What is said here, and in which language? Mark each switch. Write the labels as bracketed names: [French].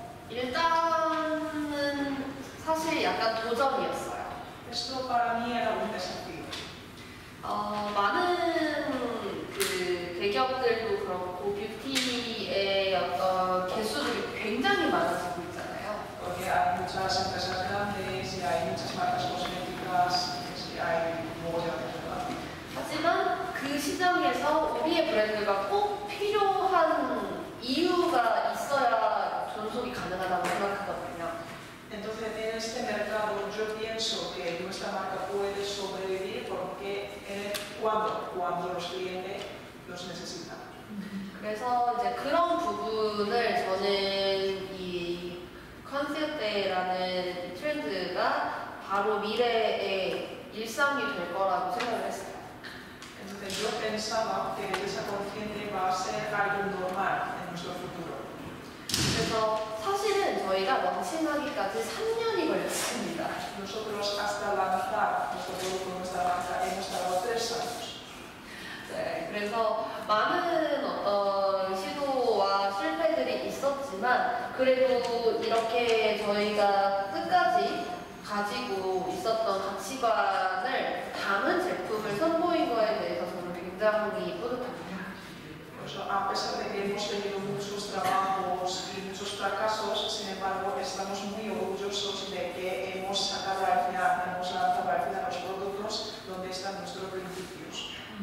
[Korean] 일단은 사실 약간 도전이었어요. [Spanish] esto para mí era un desafío. [Korean] 많은 그 대기업들도 그렇고 뷰티의 어떤 개수들이 굉장히 많아지고 있잖아요. [Spanish] Porque hay muchas empresas grandes y hay muchas marcas cosméticas y hay muchas cosas. [Korean] 하지만 그 시장에서 우리의 브랜드가 꼭 필요한 이유가 있어야 존속이 가능하다고 생각하거든요. [Spanish] Entonces en este mercado yo pienso que nuestra marca puede sobrevivir porque cuando los clientes los necesitan. [Korean] 그래서 이제 그런 부분을 저는 이 컨셉대라는 트렌드가 바로 미래의 일상이 될 거라고 생각했어요. [Spanish] Yo pensaba que esa consciente va a ser algo normal en nuestro futuro. [Korean] 그래서 사실은 저희가 런칭하기까지 3년이 걸렸습니다. [Spanish] Nosotros hasta lanzar nuestro producto, nuestra marca, hemos estado 3 años. [Korean] 네, 그래서 많은 어떤 시도와 실패들이 있었지만 그래도 이렇게 저희가 끝까지 가지고 있었던 가치관을 담은 제품을 선보인 거에 대해서 [Spanish] A pesar de que hemos tenido muchos trabajos y muchos fracasos, sin embargo, estamos muy orgullosos de que hemos sacado al final, hemos lanzado al final los productos donde están nuestros principios.